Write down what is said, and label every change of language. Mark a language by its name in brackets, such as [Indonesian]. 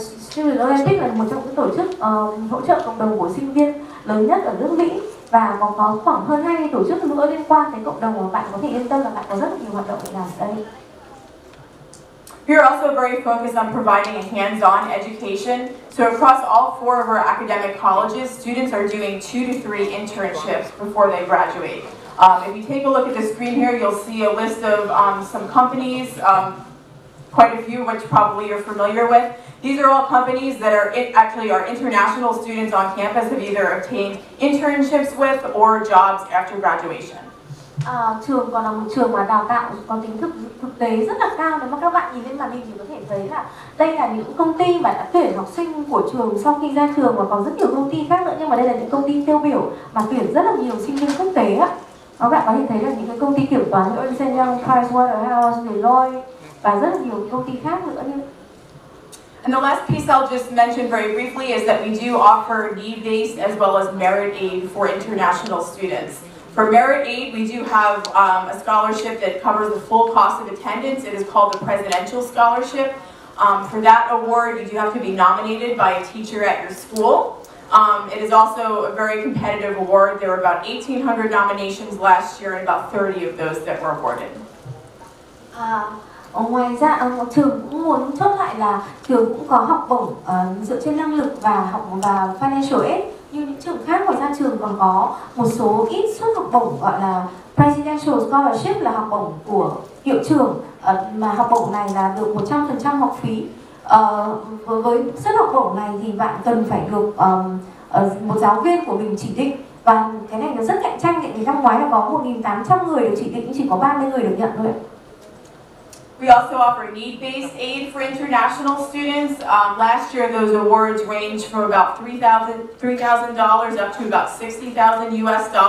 [Vietnamese] Student Olympic là một trong những tổ chức hỗ trợ cộng đồng của sinh viên lớn nhất ở nước Mỹ, và còn có khoảng hơn 20 tổ chức nữa liên quan tới cộng đồng, mà bạn có thể yên tâm là bạn có rất nhiều hoạt động để làm ở đây. [English] We are also very focused on providing a hands-on education. So across all 4 of our academic colleges, students are doing 2 to 3 internships before they graduate. If you take a look at the screen here, you'll see a list of some companies quite a few, which probably you're familiar with. These are all companies that are actually our international students on campus have either obtained internships with or jobs after graduation. [Vietnamese] Trường còn là một trường mà đào tạo có tính thực thực tế rất là cao. Nếu mà các bạn nhìn lên màn hình thì có thể thấy là đây là những công ty mà đã tuyển học sinh của trường sau khi ra trường, và còn rất nhiều công ty khác nữa, nhưng mà đây là những công ty tiêu biểu mà tuyển rất là nhiều sinh viên quốc tế á. Các bạn có thể thấy là những cái công ty kiểm toán như Ernst & Young, Pricewaterhouse, Deloitte và rất là nhiều công ty khác nữa. [English] And the last piece I'll just mention very briefly is that we do offer need-based as well as merit aid for international students. For merit aid, we do have a scholarship that covers the full cost of attendance. It is called the Presidential Scholarship. For that award, you do have to be nominated by a teacher at your school. It is also a very competitive award. There were about 1,800 nominations last year, and about 30 of those that were awarded. [Vietnamese] Ngoài ra, trường cũng muốn chốt lại là trường cũng có học bổng dựa trên năng lực và học và financial aid. Như những trường khác, ngoài ra trường còn có một số ít suất học bổng gọi là Presidential Scholarship, là học bổng của hiệu trường, mà học bổng này là được 100% học phí. Với suất học bổng này thì bạn cần phải được một giáo viên của mình chỉ định, và cái này nó rất cạnh tranh. Thì năm ngoái là có 1,800 người được chỉ định, chỉ có 30 người được nhận thôi. [English] We also offer need-based aid for international students. Last year, those awards ranged from about $3,000 up to about $60,000 US.